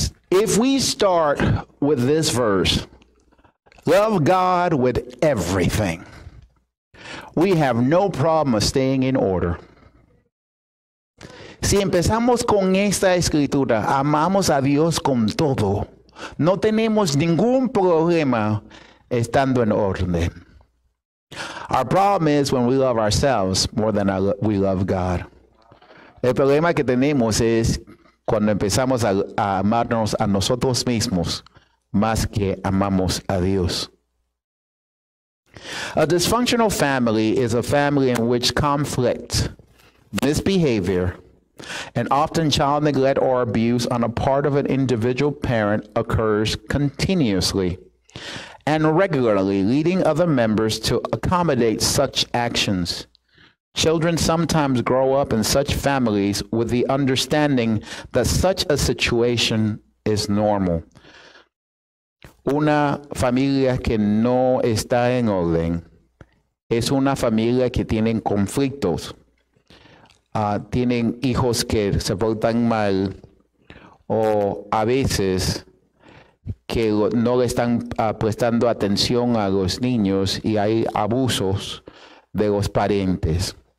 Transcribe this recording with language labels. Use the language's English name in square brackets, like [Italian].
[English] If we start with this verse, love God with everything, we have no problem of staying in order. [Spanish] Si empezamos con esta escritura, amamos a Dios con todo. No tenemos ningún problema estando en orden. [English] Our problem is when we love ourselves more than we love God. [Spanish] El problema que tenemos es cuando empezamos a amarnos a nosotros mismos más que amamos a Dios. [English] A dysfunctional family is a family in which conflict, misbehavior, and often child neglect or abuse on a part of an individual parent occurs continuously and regularly, leading other members to accommodate such actions. Children sometimes grow up in such families with the understanding that such a situation is normal. [Spanish] Una familia que no está en orden es una familia que tiene conflictos. Tienen hijos que se portan mal o a veces que no le están prestando atención a los niños y hay abusos de los parientes.